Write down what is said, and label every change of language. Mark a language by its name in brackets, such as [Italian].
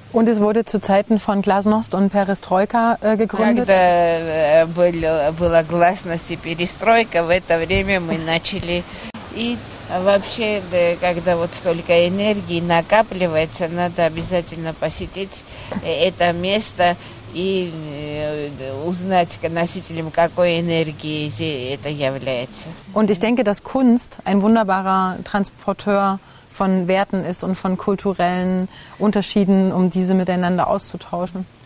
[German] Und es wurde zu Zeiten von Glasnost und Perestroika gegründet. [Russian] Когда была Glasnost и Перестройка, в это время мы начали. И вообще, когда вот столько энергии накапливается, надо обязательно посетить это место и узнать носителем какой энергии это является. [German] Und ich denke, dass Kunst ein wunderbarer Transporteur von Werten ist und von kulturellen Unterschieden, um diese miteinander auszutauschen.